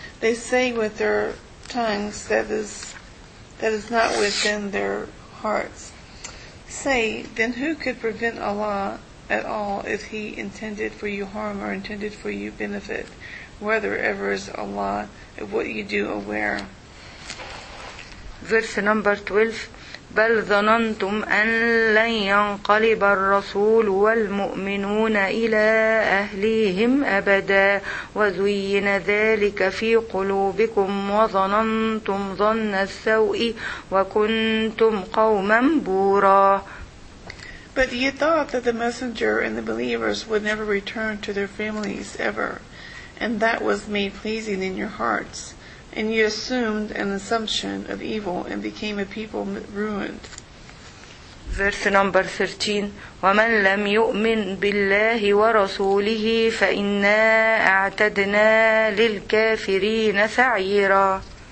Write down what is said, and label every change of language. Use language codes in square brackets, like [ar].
[en] They say with their tongues that is not within their hearts. Say, then who could prevent Allah at all if He intended for you harm or intended for you benefit, whether ever is Allah of what you do aware? Verse number 12. [ar] بل ظننتم أن لن ينقلب الرسول والمؤمنون إلى أهليهم أبدا وزين ذلك في قلوبكم وظننتم ظن السوء وكنتم قوما بورا. [en] But you thought that the messenger and the believers would never return to their families ever, and that was made pleasing in your hearts. And you assumed an assumption of evil and became a people ruined. Verse number 13. [ar] وَمَنْ لَمْ يُؤْمِنْ بِاللَّهِ وَرَسُولِهِ فَإِنَّا أَعْتَدْنَا لِلْكَافِرِينَ سَعِيرًا.